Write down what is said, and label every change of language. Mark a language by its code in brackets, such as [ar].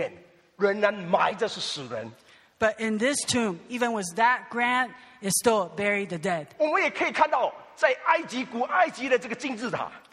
[zh] 但是我们看到在这个墓陵里面仍然埋着是死人。 [en] But in this tomb, even with that grant, it still buried the dead. [zh] 我们也可以看到在埃及古埃及的这个金字塔。